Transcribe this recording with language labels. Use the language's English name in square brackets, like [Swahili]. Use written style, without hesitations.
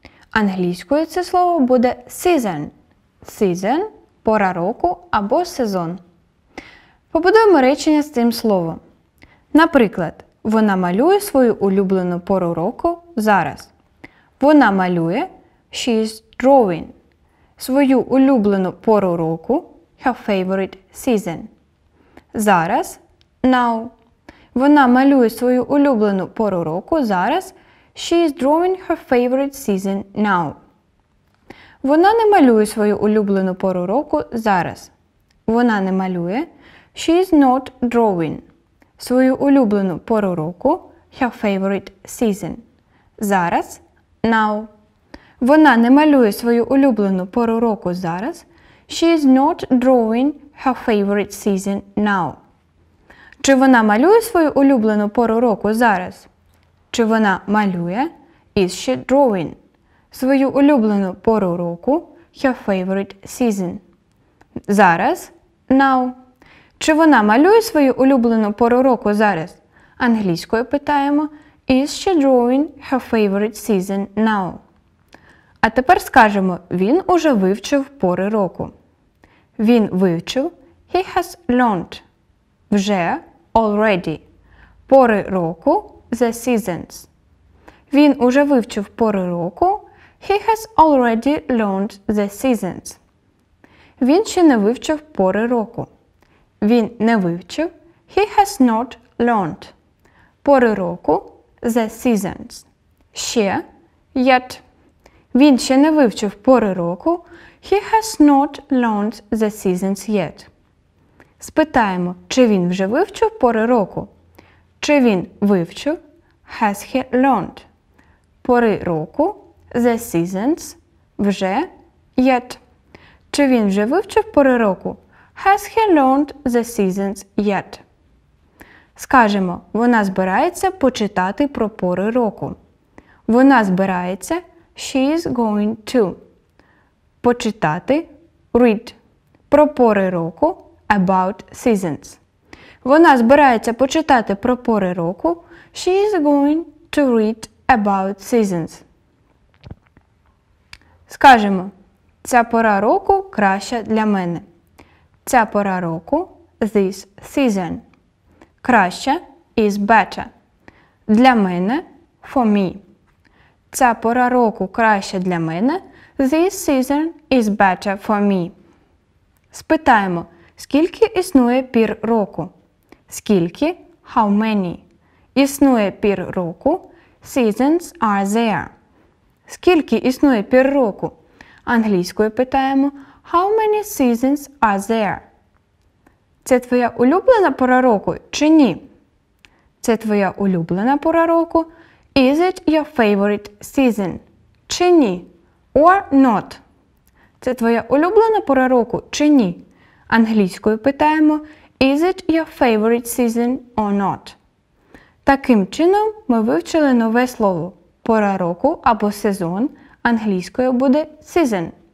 [Ukrainian] Англійською це слово буде season. Season – пора року або сезон. Побудуємо речення з цим словом. Наприклад, вона малює свою улюблену пору року зараз. Вона малює [English] – she is drawing. [Ukrainian] Свою улюблену пору року – [English] her favorite season. [Ukrainian] Зараз – [English] now. [Ukrainian] Вона малює свою улюблену пору року зараз. [English] She is drawing her favorite season now. [Ukrainian] Вона не малює свою улюблену пору року зараз. Вона не малює. [English] She is not drawing. [Ukrainian] Свою улюблену пору року. [English] Her favorite season. [Ukrainian] Зараз. [English] Now. [Ukrainian] Вона не малює свою улюблену пору року зараз. [English] She is not drawing her favorite season now. [Ukrainian] Чи вона малює свою улюблену пору року зараз? Чи вона малює? [English] Is she drawing? [Ukrainian] Свою улюблену пору року? [English] Her favorite season. [Ukrainian] Зараз? [English] Now. [Ukrainian] Чи вона малює свою улюблену пору року зараз? Англійською питаємо. [English] Is she drawing her favorite season now? [Ukrainian] А тепер скажемо, він уже вивчив пори року. Він вивчив. [English] He has learned. [Ukrainian] Вже. [English] Already. [Ukrainian] Пори року. [English] The seasons. [Ukrainian] Він уже вивчив пори року. [English] He has already learned the seasons. [Ukrainian] Він ще не вивчив пори року. Він не вивчив. [English] He has not learned. [Ukrainian] Пори року. [English] The seasons. [Ukrainian] Ще. [English] Yet. [Ukrainian] Він ще не вивчив пори року. [English] He has not learned the seasons yet. [Ukrainian] Спитаємо, чи він вже вивчив пори року? Чи він вивчив? [English] Has he learned? [Ukrainian] Пори року? [English] The seasons? [Ukrainian] Вже? [English] Yet? [Ukrainian] Чи він вже вивчив пори року? [English] Has he learned the seasons yet? [Ukrainian] Скажемо, вона збирається почитати про пори року. Вона збирається. [English] She is going to. [Ukrainian] Почитати. [English] Read. [Ukrainian] Про пори року. [English] About seasons. [Ukrainian] Вона збирається почитати про пори року. [English] She is going to read about seasons. [Ukrainian] Скажемо, ця пора року краща для мене. Ця пора року – [English] this season. [Ukrainian] Краща [English] – is better. [Ukrainian] Для мене – [English] for me. [Ukrainian] Ця пора року краща для мене. [English] This season is better for me. [Ukrainian] Спитаємо, скільки існує пір року? Скільки? [English] How many? [Ukrainian] Існує пір року? [English] Seasons are there. [Ukrainian] Скільки існує пір року? Англійською питаємо. [English] How many seasons are there? [Ukrainian] Це твоя улюблена пора року чи ні? Це твоя улюблена пора року? [English] Is it your favorite season? [Ukrainian] Чи ні? [English] Or not? [Ukrainian] Це твоя улюблена пора року чи ні? Англійською питаємо, [English] is it your favorite season or not? [Ukrainian] Таким чином ми вивчили нове слово. Пора року або сезон англійською буде season.